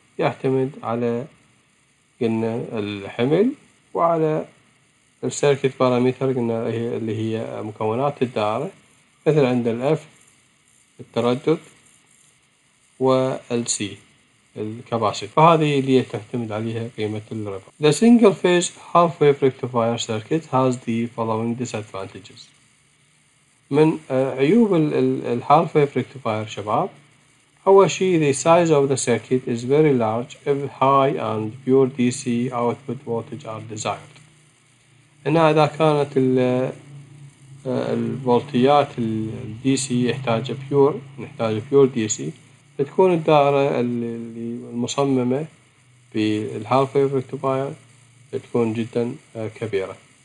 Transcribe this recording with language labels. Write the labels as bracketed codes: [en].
[ar] يعتمد على قلنا الحمل وعلى السيركت باراميتر قلنا اللي هي مكونات الدائرة، مثل عند الاف التردد والسي الكباسيت، فهذه اللي تعتمد عليها قيمة الربل. [en] The single phase half wave rectifier circuit has the following disadvantages. [ar] من عيوب ال [en] half wave rectifier [ar] شباب، أول شيء [en] the size of the circuit is very large if high and pure DC output voltage are desired. [ar] هنا إذا كانت الفولتيات الدي سي يحتاج بيور، نحتاج بيور دي سي، بتكون الدائرة اللي المصممة بالهالف ويف ريكتيفاير بتكون جدا كبيرة.